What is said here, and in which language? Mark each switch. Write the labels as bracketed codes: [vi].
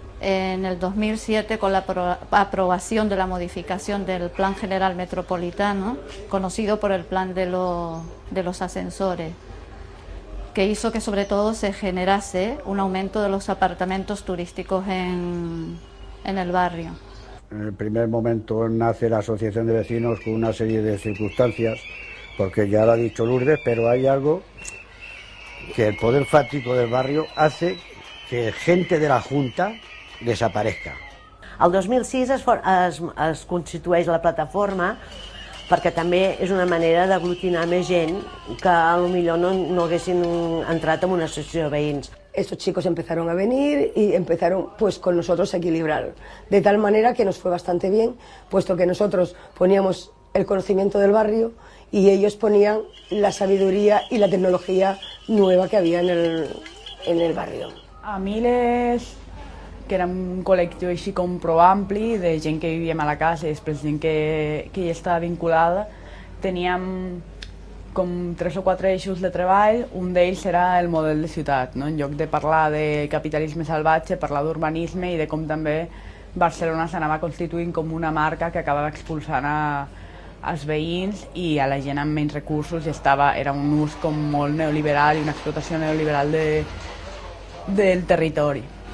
[es] en el 2007 con la aprobación de la modificación del Plan General Metropolitano, conocido por el Plan de los Ascensores, que hizo que sobre todo se generase un aumento de los apartamentos turísticos en el barrio. En el primer momento nace la Asociación de Vecinos con una serie de circunstancias, porque ya lo ha dicho Lourdes, pero hay algo que el poder fáctico del barrio hace que gente de la Junta desaparezca. [ca] El 2006 es constitueix la plataforma, perquè també és una manera d'aglutinar més gent que potser no haguessin entrat en una associació de veïns. [es] Estos chicos empezaron a venir y empezaron pues con nosotros a equilibrar, de tal manera que nos fue bastante bien, puesto que nosotros poníamos el conocimiento del barrio y ellos ponían la sabiduría y la tecnología nueva que había en el barrio. [ca] A miles, que era un col·lectiu així com proampli de gent que vivíem a la casa i després gent que hi estava vinculada, teníem com tres o quatre eixos de treball. Un d'ells era el model de ciutat, no? En lloc de parlar de capitalisme salvatge, parlar d'urbanisme i de com també Barcelona s'anava constituint com una marca que acabava expulsant als veïns i a la gent amb menys recursos, i era un ús com molt neoliberal i una explotació neoliberal del territori.